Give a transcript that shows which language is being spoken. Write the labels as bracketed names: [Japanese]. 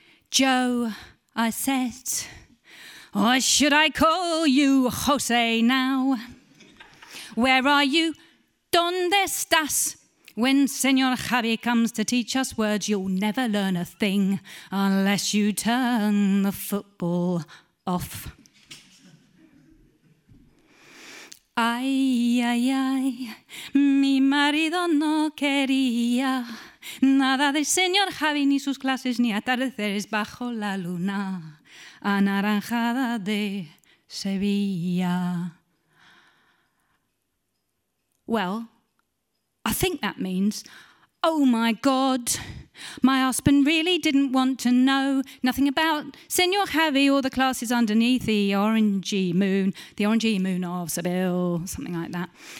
[English] Joe, I said, or should I call you Jose now? Where are you? [Spanish] ¿Dónde estás? [English] When Señor Javi comes to teach us words, you'll never learn a thing unless you turn the football off. Ay, [Spanish] ay, ay, mi marido no quería nada del señor Javi, ni sus clases, ni atardeceres bajo la luna anaranjada de Sevilla. [English] Well, I think that means, oh my God, my husband really didn't want to know nothing about Senor Javi or the classes underneath the orangey moon of Seville, something like that.